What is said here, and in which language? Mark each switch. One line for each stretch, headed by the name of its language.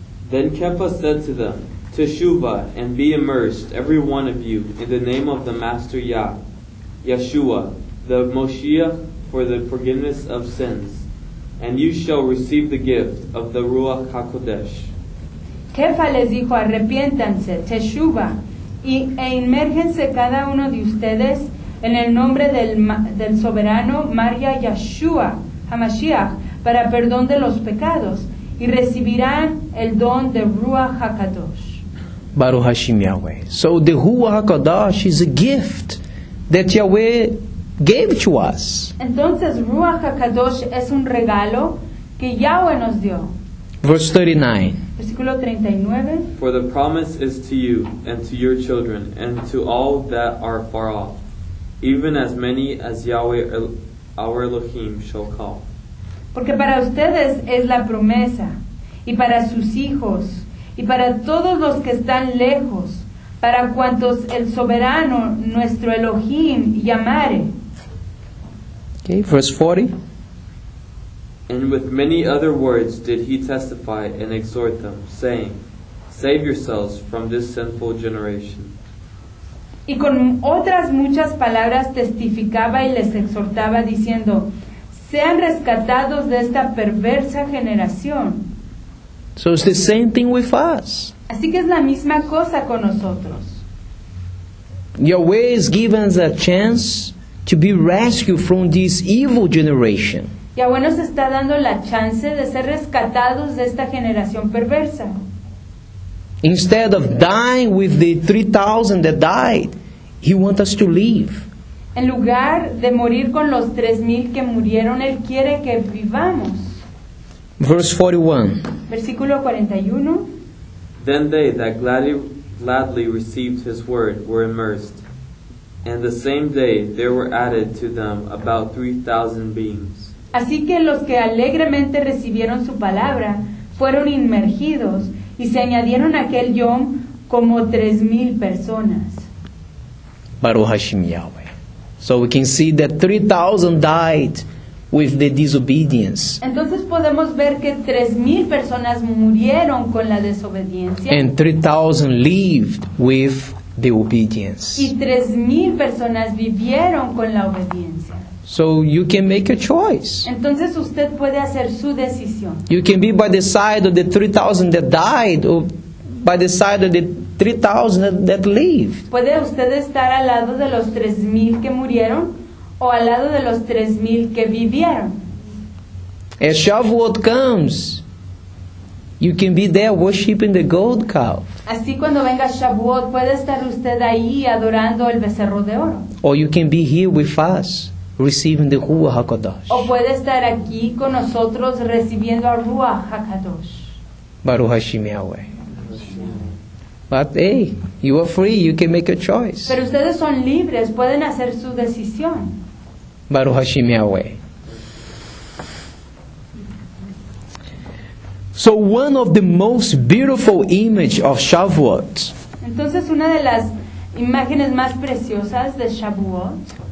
English: Then Kepha said to them, "Teshuvah, and be immersed, every one of you, in the name of the Master Yah, Yeshua, the Moshiach, for the forgiveness of sins, and you shall receive the gift of the Ruach HaKodesh."
Spanish: Kepha les dijo, "Arrepiéntanse, Teshuvah, e inmérgense cada uno de ustedes en el nombre del soberano María Yeshua, HaMashiach, para perdón de los pecados, y recibirán el don de Ruach HaKodesh."
Hebrew: Baruch Hashem Yahweh.
English: So the Ruach HaKodesh is a gift that Yahweh gave to us.
Spanish: Entonces Ruach HaKodesh es un regalo que Yahweh nos dio.
English: Verse 39.
Spanish: Versículo 39.
English: For the promise is to you and to your children and to all that are far off, even as many as Yahweh our Elohim shall call.
Spanish: Porque para ustedes es la promesa, y para sus hijos, y para todos los que están lejos, para cuantos el soberano, nuestro Elohim, llamare.
English: Okay, verse 40. And with many other words did he testify and exhort them, saying, "Save yourselves from this sinful generation."
Spanish: Y con otras muchas palabras testificaba y les exhortaba, diciendo, sean rescatados de esta perversa generación.
English: So it's the same thing with us.
Spanish: Así que es la misma cosa con nosotros.
English: Yahweh is giving us a chance to be rescued from this evil generation.
Spanish: Yahweh nos está dando la chance de ser rescatados de esta generación perversa.
English: Instead of dying with the 3,000 that died, He wants us to live.
Spanish: En lugar de morir con los 3,000 que murieron, Él quiere que vivamos.
English: Verse 41. Then they that gladly received His word were immersed. And the same day there were added to them about 3,000 beings.
Spanish: Así que los que alegremente recibieron su palabra fueron inmergidos y se añadieron a aquel yom como 3,000 personas.
Hebrew: Baruch Hashem Yahweh.
English: So we can see that 3,000 died with the disobedience.
Spanish: Entonces podemos ver que 3,000 personas murieron con la desobediencia.
English: And 3,000 lived with the obedience.
Spanish: Y 3,000 personas vivieron con la obediencia.
English: So you can make a choice.
Spanish: Entonces usted puede hacer su decisión.
English: You can be by the side of the 3,000 that died, or by the side of the 3,000 that lived.
Spanish: Puede usted estar al lado de los 3,000 que murieron, o al lado de los 3,000 que vivieron.
English: As Shavuot comes, you can be there worshiping the gold calf.
Spanish: Así cuando venga Shavuot, puede estar usted ahí adorando el becerro de oro.
English: Or you can be here with us, receiving the Ruach HaKadosh.
Spanish: O puede estar aquí con nosotros recibiendo a Ruach HaKadosh.
Hebrew: Baruch Hashem Yahweh.
English: But hey, you are free, you can make a choice.
Spanish: Pero ustedes son libres, pueden hacer su decisión.
Hebrew: Baruch Hashem Yahweh.
English: So one of the most beautiful image of Shavuot.
Spanish: Entonces una de las imágenes más preciosas de Shavuot